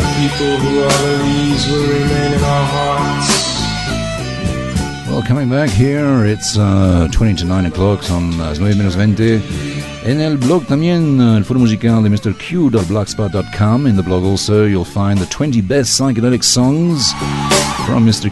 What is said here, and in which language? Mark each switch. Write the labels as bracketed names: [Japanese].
[English] People who are the leaves will remain in our hearts. Well, coming back here, it's 20 to 9 o'clock, [Spanish] son las 9 menos 20. En el blog también, el foro musical de MrQ.blogspot.com. [English] In the blog also, you'll find the 20 best psychedelic songs from Mr.